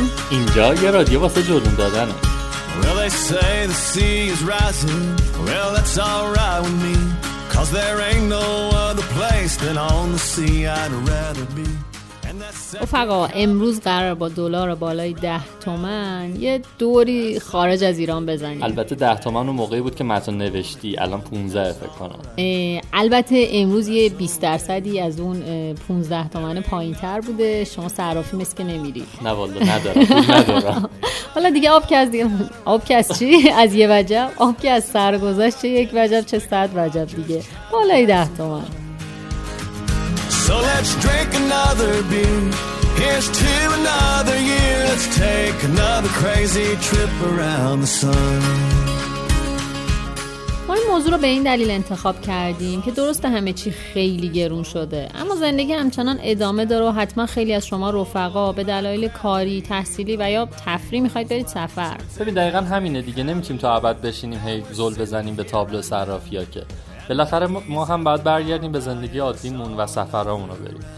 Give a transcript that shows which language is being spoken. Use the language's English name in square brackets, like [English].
[Persian] اینجا یه رادیو واسه جلون دادنه. [English] Well, they say the sea is rising. Well, that's all right with me. 'Cause there ain't no other place than on the sea I'd rather be. [Persian] افقا، امروز قراره با دلار بالای 10 تومن یه دوری خارج از ایران بزنیم. البته 10 تومن اون موقعی بود که متن نوشتی، الان 15 فکر کنم. البته امروز یه 20% از اون 15 تومن پایین تر بوده. شما صرافی مثل که نمیری. نه والا ندارم. حالا دیگه آب که از دیگه آب که از چی؟ از یه وجب آب که از سرگذشت چه یک وجب چه صد وجب دیگه بالای 10 تومن. [English] So let's drink another beer. Here's to another year. Let's take another crazy trip around the sun. [Persian] ما این موضوع رو به این دلیل انتخاب کردیم که درست همه چی خیلی گرون شده، اما زندگی همچنان ادامه داره و حتما خیلی از شما رفقا به دلایل کاری، تحصیلی و یا تفریح میخواید برید سفر. ببین دقیقاً همینه دیگه، نمیتونیم تا ابد بشینیم هی زل بزنیم به تابلو صرافی ها که بالاخره ما هم باید برگردیم به زندگی عادیمون و سفرامون رو بریم.